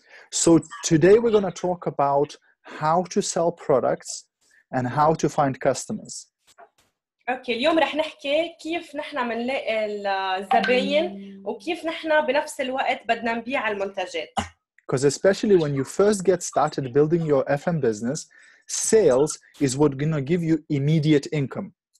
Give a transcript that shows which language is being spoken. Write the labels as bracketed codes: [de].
[en] So today we're going to talk about how to sell products and how to find customers. [ar] اوكي اليوم رح نحكي كيف نحن بنلاقي الزباين وكيف نحن بنفس الوقت بدنا نبيع المنتجات. [en] Because especially when you first get started building your FM business, sales is what gonna give you immediate income.